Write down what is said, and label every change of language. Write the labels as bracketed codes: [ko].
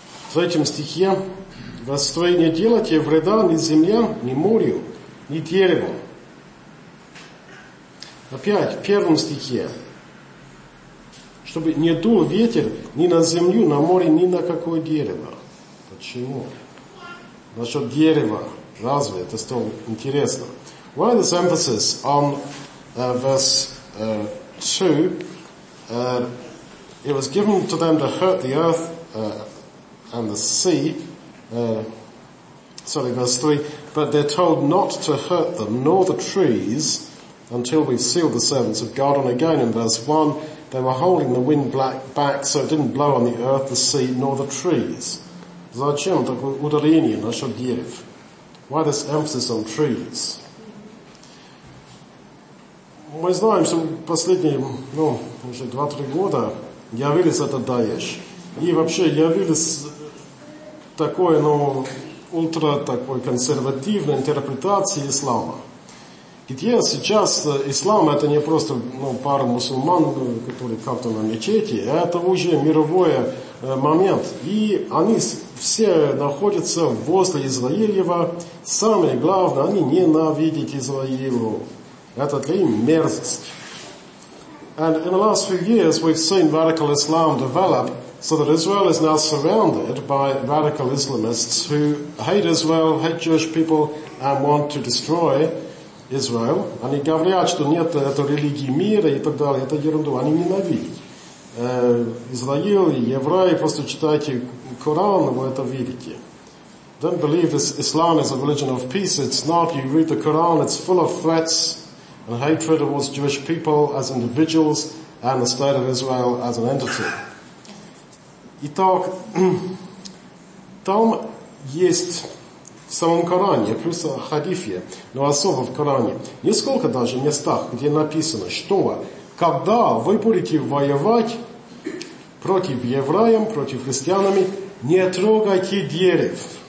[ru] В третьем стихе «Вострой не делайте вреда ни земле, ни морю, ни дереву». Опять, в первом стихе «Чтобы не дул ветер ни на землю, на море, ни на какое дерево». Почему? Насчет дерева. Разве это столь интересно? [en] Why this emphasis on verse 2? It was given to them to hurt the earth and the sea, verse 3, but they're told not to hurt them nor the trees until we've sealed the servants of God. And again in verse 1, they were holding the wind back so it didn't blow on the earth, the sea, nor the trees. [ru] Зачем такое ударение на дерев? [en] Why this emphasis on trees? [ru] Мы знаем, что последние, ну, уже 2-3 года явились это Даеш. И вообще явились такой, ну, ультра такой консервативной интерпретации ислама. Где сейчас ислам это не просто ну, пара мусульман, которые как-то на мечети, это уже мировой момент. И они все находятся возле Израилева. Самое главное, они ненавидят Израилеву. Это для них мерзость. [en] And in the last few years we've seen radical Islam develop. So that Israel is now surrounded by radical Islamists who hate Israel, hate Jewish people, and want to destroy Israel. [ru] Они говорят, что нет этой религии мира и так далее. Это ерунду. Они ненавидят. Израиль, евреи, просто читайте Коран, вы это видите. [en] Don't believe this Islam is a religion of peace. It's not. You read the Quran, it's full of threats and hatred towards Jewish people as individuals and the state of Israel as an entity. [ru] Итак, там есть в самом Коране, плюс в Хадифе, но особо в Коране, несколько даже местах, где написано, что когда вы будете воевать против евреев, против христианами, не трогайте дерев.